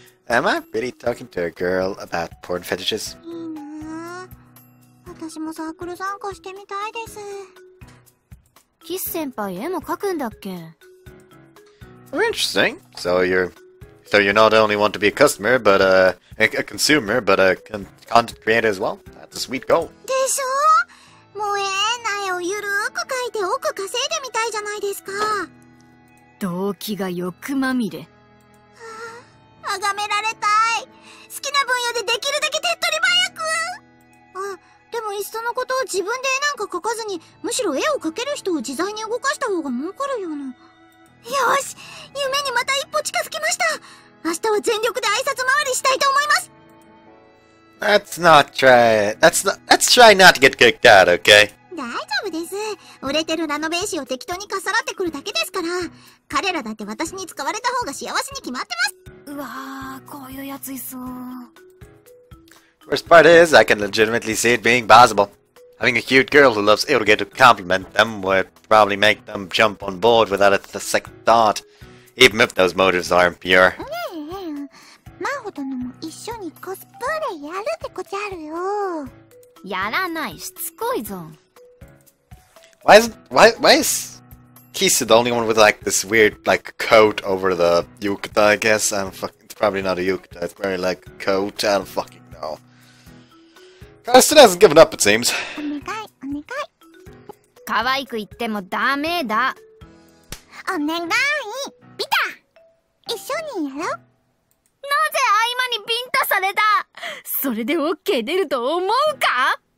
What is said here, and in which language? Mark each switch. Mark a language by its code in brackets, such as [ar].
[en] Am I really talking to a girl about porn fetishes? [ja] いいなぁ。私もサークル参加してみたいです。キス先輩絵も描くんだっけ？ [en] Very interesting. So you're not only want to be a customer, but a consumer, but a content creator as well? That's a sweet goal. [ja] でしょ？萌え苗をゆるーく描いて億稼いでみたいじゃないですか。動機が欲まみれ。あがめられたい。好きな分野でできるだけ手っ取り早く。あ、でもいっそのことを自分で絵なんか描かずに、むしろ絵を描ける人を自在に動かした方が儲かるような。よし、夢にまた一歩近づきました。明日は全力で挨拶回りしたいと思います。 [en] Let's try not to get kicked out, okay? [ja] 大丈夫です。売れてるラノベーシーを適当にかさらってくるだけですから。彼らだって私に使われた方が幸せに決まってます。うわー、こういうやついそう。 [en] First part is, I can legitimately see it being possible. Having a cute girl who loves Eo to get to compliment them would probably make them jump on board without a second thought, even if those motives aren't pure. [ja] マホ殿も一緒にコスプレやるってこちゃるよ。やらない、しつこいぞ。 [en] Why is Kisu the only one with like this weird like coat over the yukata, I guess? It's probably not a yukata, it's very like a coat, I don't fucking know. Kisu hasn't given up, it seems. [ja] お願い。可愛く言ってもダメだ。お願い、ビタ。一緒にやろ。なぜ合間にビンタされた。それでオッケー出ると思うか。